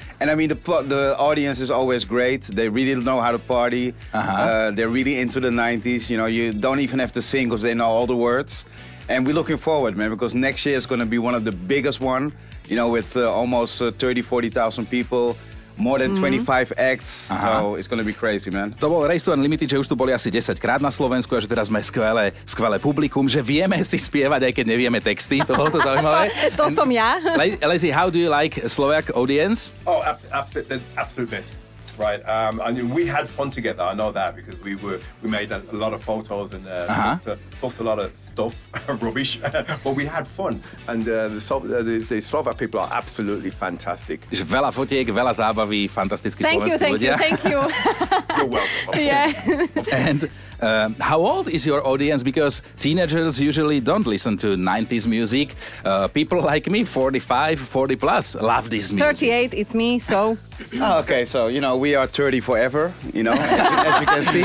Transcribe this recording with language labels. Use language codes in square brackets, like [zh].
[en] And I mean, the audience is always great. They really know how to party. They're really into the 90s. You know, you don't even have to sing because they know all the words. And we're looking forward, man, because next year is going to be one of the biggest one, you know, with almost 30,000-40,000 people. More than 25 acts, so it's going to be crazy, man. [sk] To bol Race to Unlimited, že už tu boli asi 10 krát na Slovensku a že teraz sme skvelé publikum, že vieme si spievať, aj keď nevieme texty. To bolo to zaujímavé. To som ja. [en] Lazy, how do you like Slovak audience? Oh, absolute best. Right. I mean, we had fun together, I know that, because we made a lot of photos and talked a lot of stuff, rubbish, but we had fun. And the Slovak people are absolutely fantastic. [sk] Veľa fotiek, veľa zábavy, fantastický slovenský ľudia. [en] Thank you. You're welcome. Yeah. And how old is your audience? Because teenagers usually don't listen to 90s music. People like me, 45, 40 plus, love this music. 38, it's me, so... Oh, okay, so, you know, we are 30 forever, you know, as you can see.